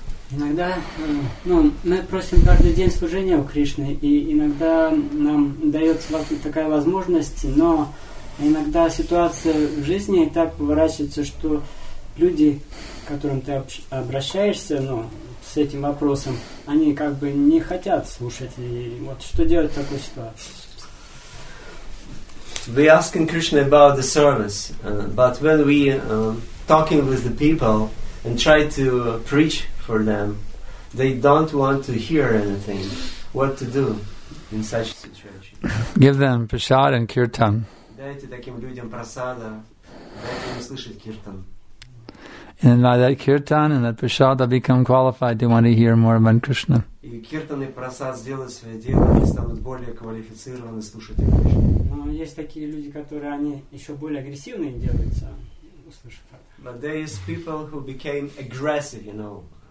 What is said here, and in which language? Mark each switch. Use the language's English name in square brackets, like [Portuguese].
[Russian] Иногда, мы просим каждый день служения у Кришны, и иногда нам дается такая возможность, но иногда ситуация в жизни так поворачивается, что люди, к которым ты обращаешься, с этим вопросом, они как бы не хотят слушать. И вот что делать в такой ситуации? [English] We asking Krishna about the service, but when we talking with the people and try to preach for them, they don't want to hear anything. What to do in such situation? Give them prasad and kirtan. [Russian] Дайте таким людям прасада, дайте им слышать киртан. [English] And by that kirtan and that prasad, they become qualified to want to hear more about Krishna. [Russian] И киртан и прасад сделают свое дело, они станут более квалифицированы слушать Кришну. Но есть такие люди, которые они еще более агрессивные делаются, услышав. [English] But there is people who became aggressive, you know.